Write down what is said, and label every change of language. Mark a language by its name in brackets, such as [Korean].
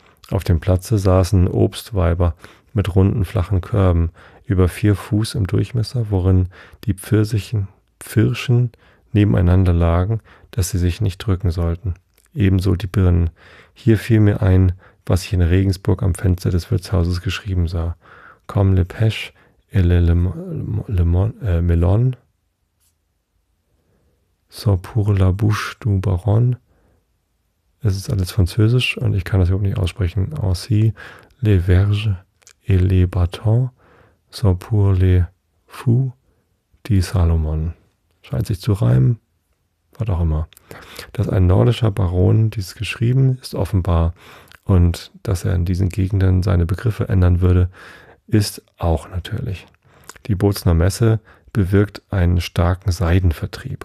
[German] Auf dem Platze saßen Obstweiber mit runden, flachen Körben, über 4 Fuß im Durchmesser, worin die Pfirschen nebeneinander lagen, dass sie sich nicht drücken sollten. Ebenso die Birnen. Hier fiel mir ein, was ich in Regensburg am Fenster des Wirtshauses geschrieben sah. [French] Comme le pêche et le melon, sont pour la bouche du baron. [German] Es ist alles Französisch und ich kann das überhaupt nicht aussprechen. [French] Aussi, les verges et les bâtons sont pour les fous du Salomon. [German] Scheint sich zu reimen, was auch immer. Dass ein nordischer Baron dies geschrieben, ist offenbar, und dass er in diesen Gegenden seine Begriffe ändern würde, ist auch natürlich. Die Bozner Messe bewirkt einen starken Seidenvertrieb.